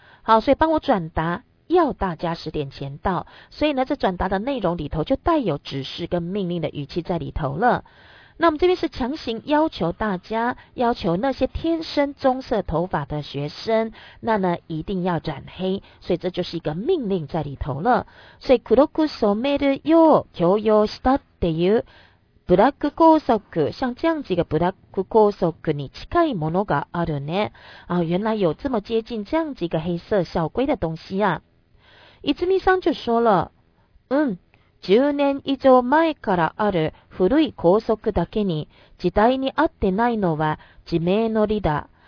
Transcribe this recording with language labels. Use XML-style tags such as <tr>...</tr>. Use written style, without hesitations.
<zh>好，所以帮我转达要大家十点前到，所以呢这转达的内容里头就带有指示跟命令的语气在里头了。那我们这边是强行要求大家，要求那些天生棕色头发的学生，那呢一定要染黑，所以这就是一个命令在里头了。所以</zh> <ja>黒く染めるよう強要したっていうブラック校則，</ja> <zh>像这样几个</zh> <ja>ブラック校則に近いものがあるね。</ja> <zh>啊，原来有这么接近这样几个黑色校规的东西啊。</zh> <ja>いつみさん</ja> <zh>就说了，</zh> <ja>10年以上前からある古い校則だけに時代に合ってないのは自明の理だ。</ja>